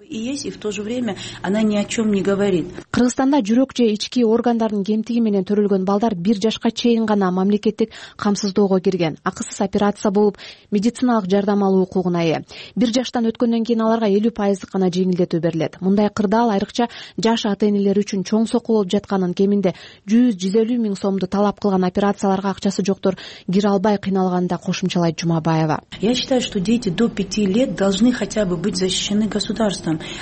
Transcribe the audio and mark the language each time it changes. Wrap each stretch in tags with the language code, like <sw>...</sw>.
<ru>И есть, и в то же время она ни о чем не говорит.</ru> <ky>Кыргызстанда жүрөк же ички органдардын кемтиги менен төрөлгөн балдар бир жашка чейин гана мамлекеттик камсыздоого кирген. Акысыз операция болуп, медициналык жардам алуу укугуна ээ. Бир жаштан өткөндөн кийин аларга 50% гана жеңилдетүү берилет. Мындай кырдаал айрыкча жаш ата-энелер үчүн чоң сокол болуп жатканын, кеминде 100-150 миң сомду талап кылган операцияларга акчасы жоктор кире албай кыйналганын да кошумчалайт Жумабаева.</ky> <ru>Я считаю, что дети до 5 лет должны хотя бы быть защищены государством.</ru>